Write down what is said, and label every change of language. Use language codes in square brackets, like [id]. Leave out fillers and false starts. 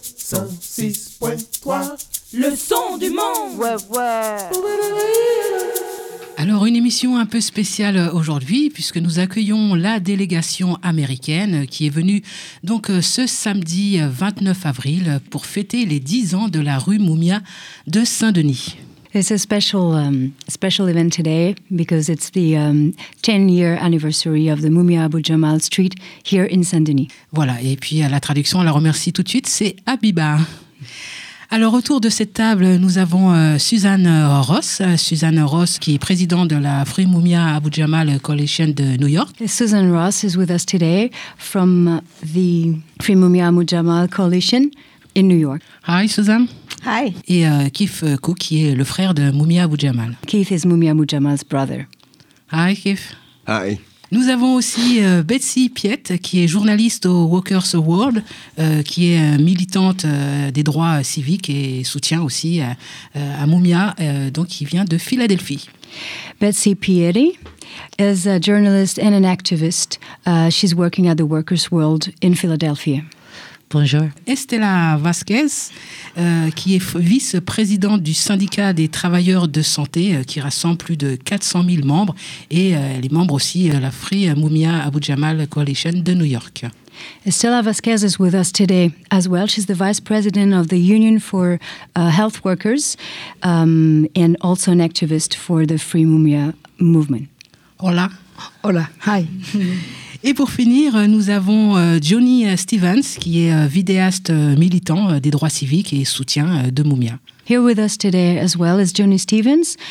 [fr] Le son du monde. Alors, une émission un peu spéciale aujourd'hui, puisque nous accueillons la délégation américaine qui est venue donc ce samedi 29 avril pour fêter les 10 ans de la rue Moumia de Saint-Denis. [en] It's a special event today because it's the 10-year anniversary of the Moumia Abou Djamal Street here in Saint-Denis. [fr] Voilà, et puis à la traduction, on la remercie tout de suite, c'est Habiba. Alors, autour de cette table, nous avons Suzanne Ross. Suzanne Ross, qui est présidente de la Free Moumia Abou Djamal Coalition de New York. [en] Susan Ross is with us today from the Free Moumia Abou Djamal Coalition in New York. Hi, Suzanne. Hi. [fr] Et Keith Koo, qui est le frère de Moumia Abou Djamal. [en] Keith is Moumia Abou Djamal's brother. Hi, Keith. Hi. [fr] Nous avons aussi Betsy Piet, qui est journaliste au Walkers World, qui est militante des droits civiques et soutient aussi à Moumia, donc qui vient de Philadelphie. [en] Betsy Pietti is a journalist and an activist. She's working at the Walkers World in Philadelphia. [fr] Bonjour. Estela Vasquez, qui est vice-présidente du syndicat des travailleurs de santé, qui rassemble plus de 400 000 membres, et elle est membre aussi de la Free Moumia Abou Djamal Coalition de New York. [en] Estela Vasquez is with us today as well. She's the vice president of the Union for Health Workers and also an activist for the Free Moumia Movement. [es] Hola. Hola. [en] Hi. [fr] Et pour finir, nous avons Johnny Stevens, qui est vidéaste militant des droits civiques et soutien de Moumia. [en] Here with us today as well is Johnny Stevens.